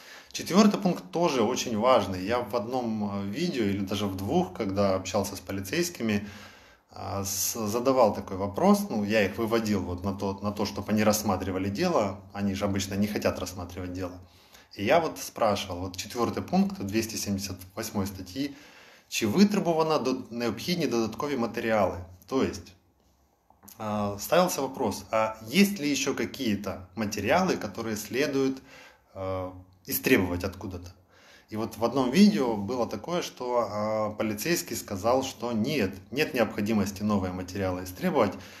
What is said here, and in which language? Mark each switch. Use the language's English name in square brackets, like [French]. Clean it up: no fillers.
[Russian] Четвертый пункт тоже очень важный. Я в одном видео или даже в двух, когда общался с полицейскими, задавал такой вопрос. Я их выводил на то, чтобы они рассматривали дело. Они же обычно не хотят рассматривать дело. И я спрашивал, четвертый пункт 278 статьи, [Ukrainian] чи витребовано необхідні додаткові матеріали? [Russian] То есть, ставился вопрос, а есть ли еще какие-то материалы, которые следует истребовать откуда-то. И в одном видео было такое, что полицейский сказал, что нет необходимости новые материалы истребовать.